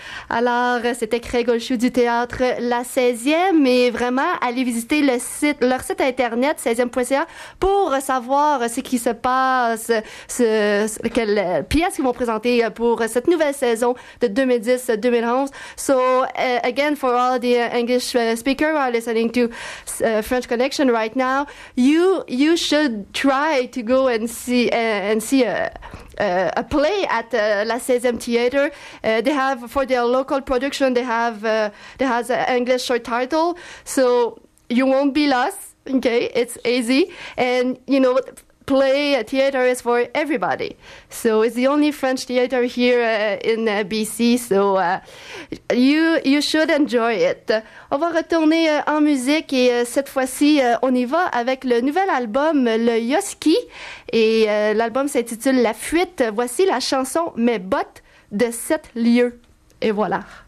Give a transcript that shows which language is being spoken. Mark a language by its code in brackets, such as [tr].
[fr] Alors, c'était Craig Olchou du théâtre La 16e, et vraiment, allez visiter leur site internet 16e.ca pour savoir ce qui se passe, quelles pièces qu'ils vont présenter pour cette nouvelle saison de 2010-2011. [en] So, again, for all the English speakers who are listening to French Connection right now, you should try to go and see a play at La 16e Theater. They have, for their local production, they have an English subtitle, so you won't be lost, okay? It's easy. And, you know, play theater is for everybody. So it's the only French theater here in BC, so you should enjoy it. [fr] On va retourner en musique, et cette fois-ci, on y va avec le nouvel album, le Yoski. Et l'album s'intitule La Fuite. Voici la chanson Mes bottes de sept lieux. Et voilà.